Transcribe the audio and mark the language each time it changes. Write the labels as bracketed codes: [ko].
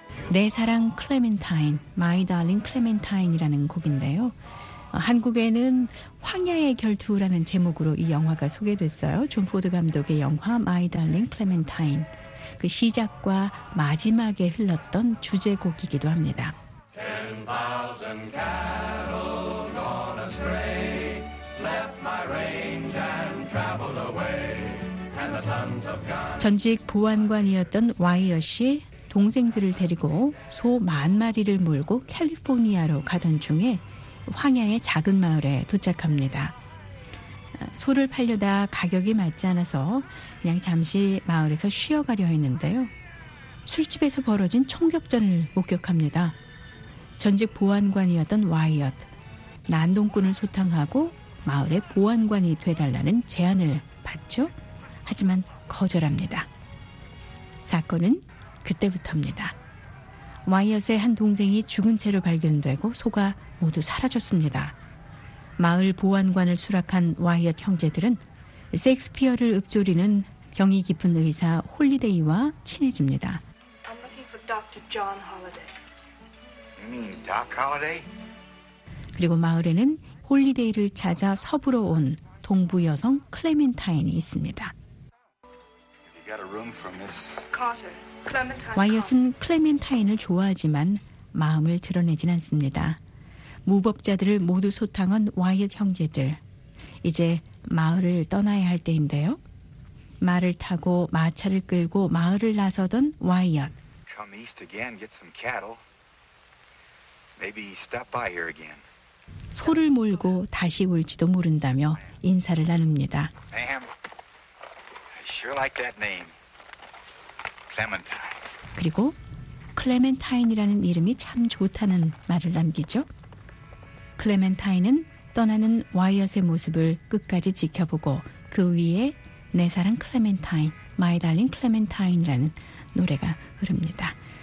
[ko] My darling Clementine, My Darling Clementine이라는 곡인데요. 한국에는 황야의 결투라는 제목으로 이 영화가 소개됐어요. 존 포드 감독의 영화 My Darling Clementine. 그 시작과 마지막에 흘렀던 주제곡이기도 합니다. [en] 10,000 cattle gone astray, left my range and traveled away, and the sons of God. [ko] 전직 보안관이었던 와이어 씨, 동생들을 데리고 소 만 마리를 몰고 캘리포니아로 가던 중에 황야의 작은 마을에 도착합니다. 소를 팔려다 가격이 맞지 않아서 그냥 잠시 마을에서 쉬어가려 했는데요. 술집에서 벌어진 총격전을 목격합니다. 전직 보안관이었던 와이엇, 난동꾼을 소탕하고 마을의 보안관이 돼달라는 제안을 받죠. 하지만 거절합니다. 사건은 그때부터입니다. 와이엇의 한 동생이 죽은 채로 발견되고 소가 모두 사라졌습니다. 마을 보안관을 수락한 와이엇 형제들은 셰익스피어를 읊조리는 병이 깊은 의사 홀리데이와 친해집니다. [en] I'm looking for Dr. John Holiday. You mean Doc Holiday? [ko] 그리고 마을에는 홀리데이를 찾아 서부로 온 동부 여성 클레멘타인이 있습니다. [en] Have you got a room for Miss Carter? [ko] 와이엇은 클레멘타인을 좋아하지만 마음을 드러내진 않습니다. 무법자들을 모두 소탕한 와이엇 형제들. 이제 마을을 떠나야 할 때인데요. 말을 타고 마차를 끌고 마을을 나서던 와이엇. [en] Come east again, get some cattle. Maybe stop by here again. [ko] 소를 몰고 다시 올지도 모른다며 인사를 나눕니다. [en] Ma'am, I sure like that name. [ko] 그리고 클레멘타인이라는 이름이 참 좋다는 말을 남기죠. 클레멘타인은 떠나는 와이엇의 모습을 끝까지 지켜보고 그 위에 내 사랑 클레멘타인, 마이 달링 클레멘타인이라는 노래가 흐릅니다.